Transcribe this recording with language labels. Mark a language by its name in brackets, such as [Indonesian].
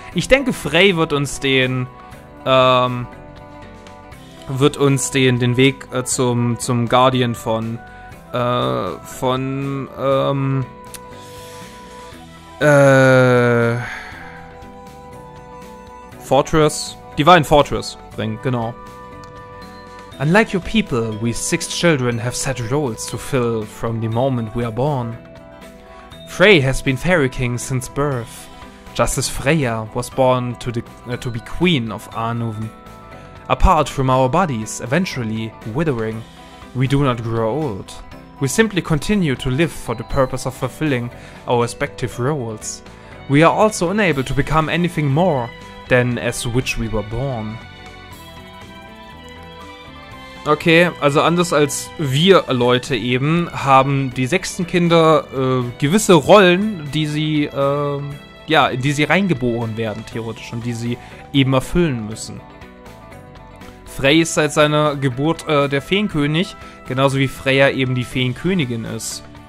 [German] Ich denke, Frey wird uns den Weg zum Guardian Fortress. Divine Fortress bringen, genau. [English] Unlike your people, we six children have set roles to fill from the moment we are born. Frey has been Fairy King since birth, just as Freya was born to be Queen of Arnuven. Apart from our bodies, eventually withering, we do not grow old. We simply continue to live for the purpose of fulfilling our respective roles. We are also unable to become anything more than as which we were born. [German] Okay, also anders als wir Leute eben, haben die sechsten Kinder gewisse Rollen, die sie, in die sie reingeboren werden, theoretisch, und die sie eben erfüllen müssen. Frey ist seit seiner Geburt der Feenkönig, genauso wie Freya eben die Feenkönigin ist.